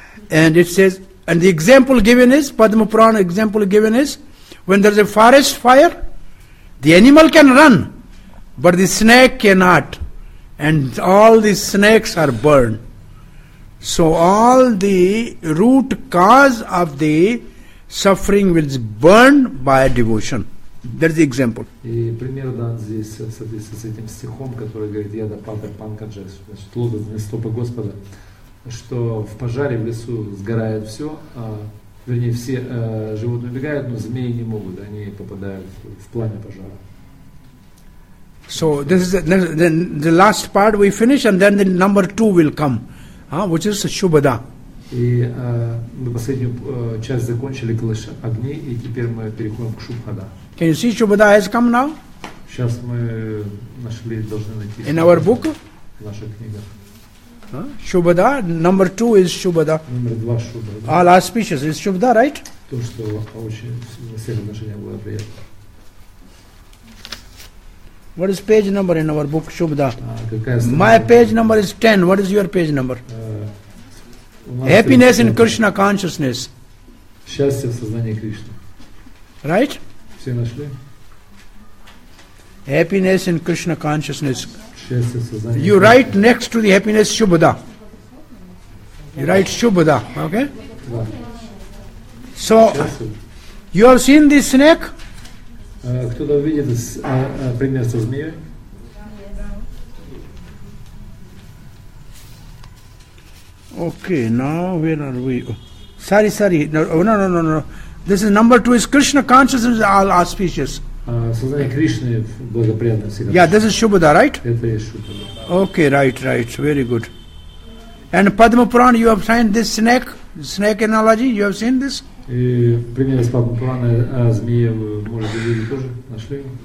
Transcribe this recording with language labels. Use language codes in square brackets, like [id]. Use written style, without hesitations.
[en] And it says, and the example given is, Padma Purana example given is, when there is a forest fire, the animal can run, but the snake cannot. And all the snakes are burned. So all the root cause of the suffering will burn by devotion. That is the example. [ru] И пример дан здесь с этим стихом, который говорит, я допада панкаджа, значит, лодут на стопы Господа, что в пожаре в лесу сгорает все, вернее, все животные убегают, но змеи не могут, они попадают в пламя пожара. [en] So this is the last part we finish, and then the number two will come, which is Шубада. [ru] И мы последнюю часть закончили, клыш огней, и теперь мы переходим к Шубхада. [en] Can you see Шубада has come now? [ru] Сейчас мы нашли, должны найти. [en] In our book? [ru] В наших книгах. [en] Шубада, number two is Шубада. Number [ru] два Шубада. [en] All auspicious is Шубада, right? [ru] То, что очень сильное отношение было приятно. [en] What is page number in our book, Шубада? My page number is 10. What is your page number? Happiness in Krishna consciousness. [ru] Счастье в сознании Кришны. [en] Right? [ru] Все нашли? [en] Happiness in Krishna consciousness. [ru] Счастье в сознании Кришны. [en] You write next to the happiness Шубада. You write Шубада, okay? [ru] Да. [en] So, you have seen this snake? [ru] Кто-то видит пример со змеей? [en] Okay, now where are we? Sorry. No. This is number two. Is Krishna consciousness all auspicious? [ru] Сознание Кришны благоприятно всегда. [en] Yeah, this is Shubhada, right? [ru] Это и Шубхада. [en] Okay, right. Very good. And Padma Purana, you have seen this snake analogy? You have seen this? [ru] Пример из Падма Пурана, змея, может быть, люди тоже нашли?